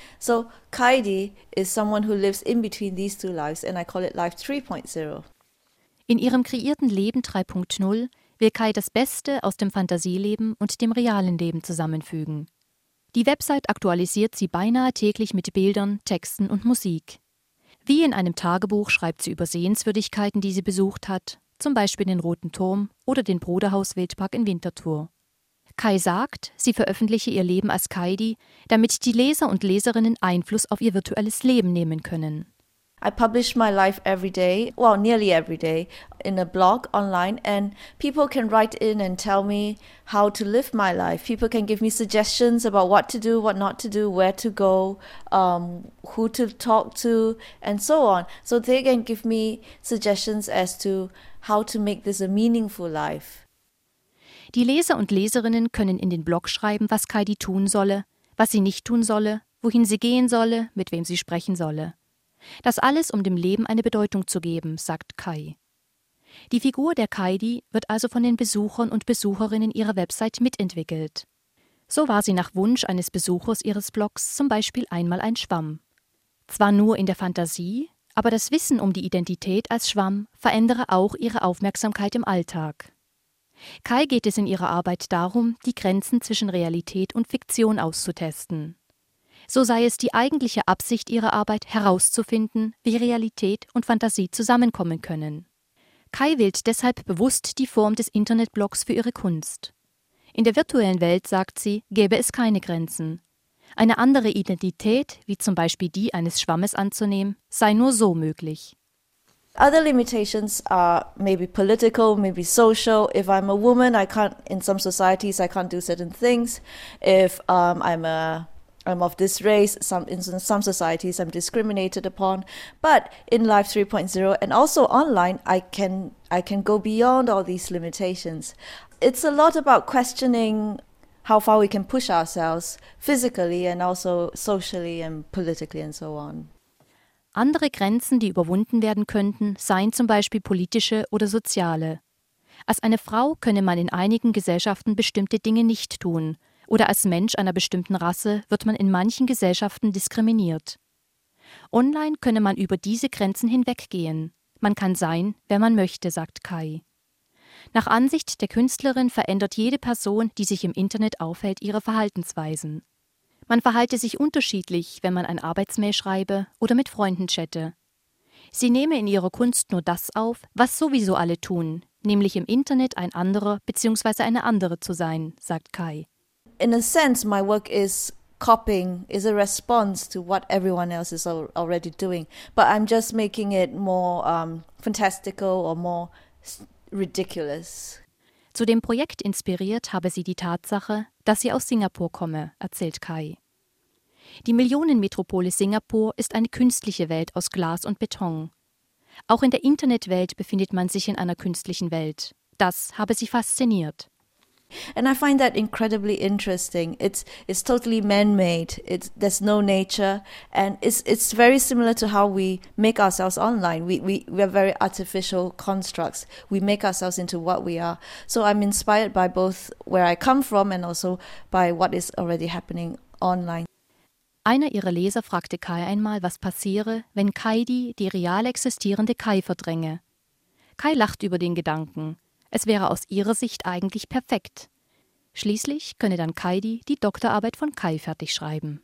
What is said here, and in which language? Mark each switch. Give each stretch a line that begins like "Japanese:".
English: So Kaidi is someone who lives in between these two lives and I call it life 3.0.
German: In ihrem kreierten Leben 3.0 will Kai das Beste aus dem Fantasieleben und dem realen Leben zusammenfügen. Die Website aktualisiert sie beinahe täglich mit Bildern, Texten und Musik. Wie in einem Tagebuch schreibt sie über Sehenswürdigkeiten, die sie besucht hat, zum Beispiel den Roten Turm oder den Bruderhaus-Wildpark in Winterthur. Kai sagt, sie veröffentliche ihr Leben als Kaidi, damit die Leser und Leserinnen Einfluss auf ihr virtuelles Leben nehmen können.
English: I publish my life every day, well, nearly every day, in a blog online, and people can write in and tell me how to live my life. People can give me suggestions about what to do, what not to do, where to go, who to talk to, and so on. So they can give me suggestions as to how to make this a meaningful life.
German: Die Leser und Leserinnen können in den Blog schreiben, was Kaidi tun solle, was sie nicht tun solle, wohin sie gehen solle, mit wem sie sprechen solle. Das alles, um dem Leben eine Bedeutung zu geben, sagt Kai. Die Figur der Kaidi wird also von den Besuchern und Besucherinnen ihrer Website mitentwickelt. So war sie nach Wunsch eines Besuchers ihres Blogs zum Beispiel einmal ein Schwamm. Zwar nur in der Fantasie, aber das Wissen um die Identität als Schwamm verändere auch ihre Aufmerksamkeit im Alltag. Kai geht es in ihrer Arbeit darum, die Grenzen zwischen Realität und Fiktion auszutesten. So sei es die eigentliche Absicht ihrer Arbeit, herauszufinden, wie Realität und Fantasie zusammenkommen können. Kai wählt deshalb bewusst die Form des Internetblogs für ihre Kunst. In der virtuellen Welt, sagt sie, gäbe es keine Grenzen. Eine andere Identität, wie zum Beispiel die eines Schwammes anzunehmen, sei nur so möglich.
English: Other limitations are maybe political, maybe social. If I'm a woman, I can't, in some societies, I can't do certain things. If I'm of this race, in some societies I'm discriminated upon, but in life 3.0 and also online I can go beyond all these limitations. It's a lot about questioning how far we can push ourselves physically and also socially and politically and so on.
German: Andere Grenzen, die überwunden werden könnten, seien zum Beispiel politische oder soziale. Als eine Frau könne man in einigen Gesellschaften bestimmte Dinge nicht tun. Oder als Mensch einer bestimmten Rasse wird man in manchen Gesellschaften diskriminiert. Online könne man über diese Grenzen hinweggehen. Man kann sein, wer man möchte, sagt Kai. Nach Ansicht der Künstlerin verändert jede Person, die sich im Internet aufhält, ihre Verhaltensweisen. Man verhalte sich unterschiedlich, wenn man ein Arbeitsmail schreibe oder mit Freunden chatte. Sie nehme in ihrer Kunst nur das auf, was sowieso alle tun, nämlich im Internet ein anderer bzw. eine andere zu sein, sagt Kai.
English: In a sense, my work is copying, is a response to what everyone else is already doing. But I'm just making it more fantastical or more ridiculous.
German: Zu dem Projekt inspiriert habe sie die Tatsache, dass sie aus Singapur komme, erzählt Kai. Die Millionenmetropole Singapur ist eine künstliche Welt aus Glas und Beton. Auch in der Internetwelt befindet man sich in einer künstlichen Welt. Das habe sie fasziniert.
English: And I find that incredibly interesting. It's totally man-made. There's no nature, and it's very similar to how we make ourselves online. We are very artificial constructs. We make ourselves into what we are. So I'm inspired by both where I come from and also by what is already happening online.
German: Einer ihrer Leser fragte Kai einmal, was passiere, wenn Kaidi die real existierende Kai verdränge. Kai lacht über den Gedanken. Es wäre aus ihrer Sicht eigentlich perfekt. Schließlich könne dann Kaidi die Doktorarbeit von Kai fertig schreiben.